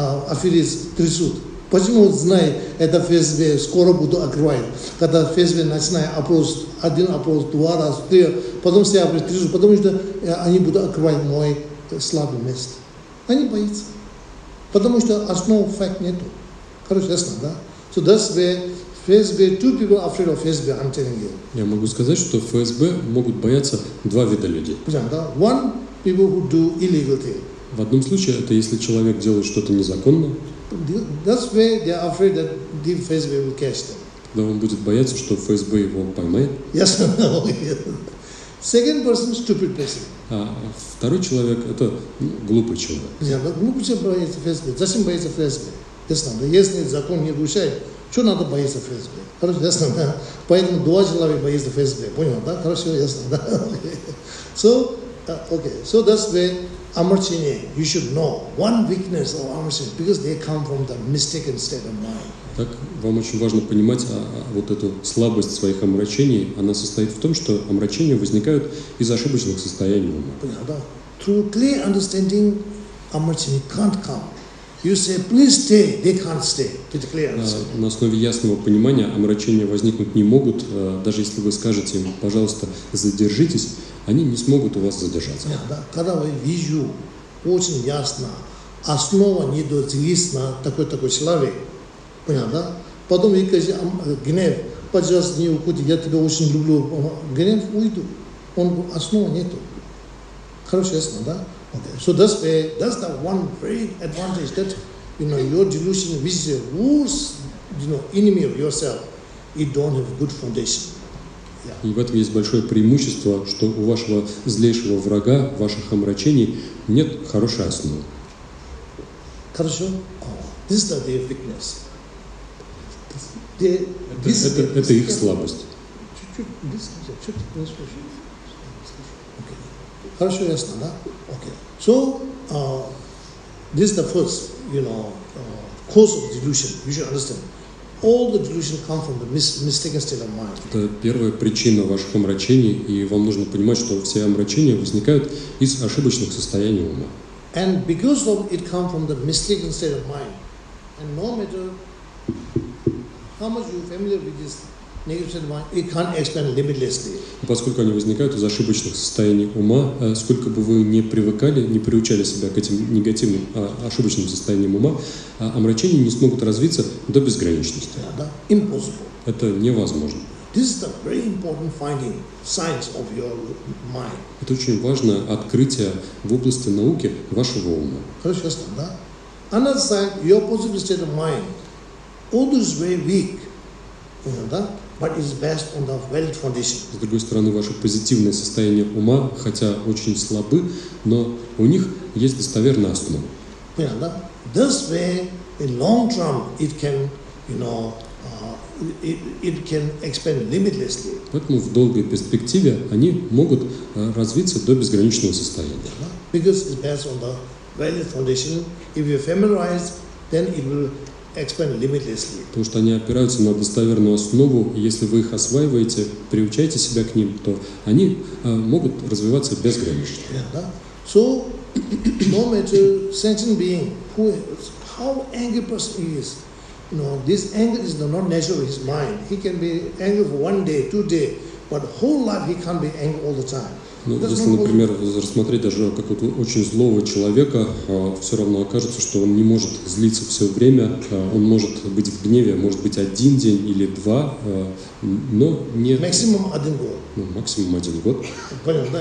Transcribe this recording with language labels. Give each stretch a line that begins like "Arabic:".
Russian: Афилис трясут. Почему знает это ФСБ, скоро буду открывать? Когда ФСБ начинает опрос, один опрос, два раз, три, потом все опрос, потому что они будут открывать мое слабое место. Они боятся. Потому что основного факта нету. Короче, ясно, да?
English: So that's where ФСБ, two people afraid of ФСБ, I'm telling you.
Russian: Я могу сказать, что ФСБ могут бояться два вида людей. Понятно, да?
English: One, people who do illegal things.
Russian: В одном случае, это если человек делает что-то незаконное.
English: That's why they are afraid that the FSB will catch them.
Russian: Да, он будет бояться, что ФСБ его поймает.
English: Yes, no. Second person, stupid person.
Russian: А второй человек это глупый человек.
English: Yeah, but
Russian: глупый человек боится ФСБ. Зачем боится ФСБ? Ясно. Да, если закон не нарушает, что надо бояться ФСБ? Хорошо, ясно. Да? Поэтому два человека боятся ФСБ. Понял, да? Хорошо, ясно. Да?
English: So, okay. So that's why. Amarchini, you should know one weakness of amarchini because they come from the mistaken state of mind.
Russian: Так вам очень важно понимать вот эту слабость своих омрачений. Она состоит в том, что омрачения возникают из ошибочных состояний ума. Понятно, да?
English: Through clear understanding, amarchini can't come. You say, please stay. They can't stay. Through clear understanding.
Russian: На основе ясного понимания омрачения возникнуть не могут, даже если вы скажете им, пожалуйста, задержитесь. Они не смогут у вас задержаться. Yeah, да. Когда я вижу очень ясно, основа не дозрелась на такой-такой человек, понятно, да? Потом я говорю, гнев, пожалуйста, не уходи, я тебя очень люблю, гнев, уйду. Он говорит, основа нету. Хорошо, ясно, да? Okay.
English: So that's the one great advantage that, you know, your delusion, which is the worst, you know, enemy of yourself, it don't have good foundation.
Russian: И в этом есть большое преимущество, что у вашего злейшего врага, ваших омрачений, нет хорошей основы. Хорошо?
English: This is not their weakness.
Russian: Это их слабость. Чуть-чуть близко. Чуть-чуть не слышу. Okay. Хорошо, ясно, да? Okay.
English: So, this is the first, you know, cause of delusion. You should understand. All the delusion come from the mistaken state of mind.
Russian: Это первая причина ваших омрачений, и вам нужно понимать, что все омрачения возникают из ошибочных состояний ума.
English: And because of it come from the mistaken state of mind, and no matter how much you familiar with this negative state of mind, it can't expand limitlessly.
Russian: Поскольку они возникают из ошибочных состояний ума, сколько бы вы не привыкали, не приучали себя к этим негативным, ошибочным состояниям ума, омрачения не смогут развиться до безграничности.
English: Impossible.
Russian: Это невозможно.
English: This is the very important finding, science of your mind.
Russian: Это очень важное открытие в области науки вашего ума. Хорошо, ясно, да?
English: Another sign, your positive state of mind, although is very weak, you know, да? But it's based on the valid foundation.
Russian: С другой стороны, ваше позитивное состояние ума, хотя очень слабы, но у них есть достоверная основа. Понятно, да?
English: This way, in long term, it can, you know, it can expand limitlessly.
Russian: Поэтому в долгой перспективе они могут развиться до безграничного состояния.
English: Because it's based on the valid foundation. If you familiarize, then it will expand limitlessly.
Russian: Потому что они опираются на достоверную основу, и если вы их осваиваете, приучаете себя к ним, то они могут развиваться безгранично. Yeah, да?
English: So, no matter sentient being, how angry person he is, no, this anger is not natural of his mind. He can be angry for one day, two days, but whole life he can't be angry all the time.
Russian: Ну, если, например, рассмотреть даже какого-то очень злого человека, все равно окажется, что он не может злиться все время, он может быть в гневе, может быть, один день или два, но не... Максимум один год. Ну, максимум один год. Понял, да?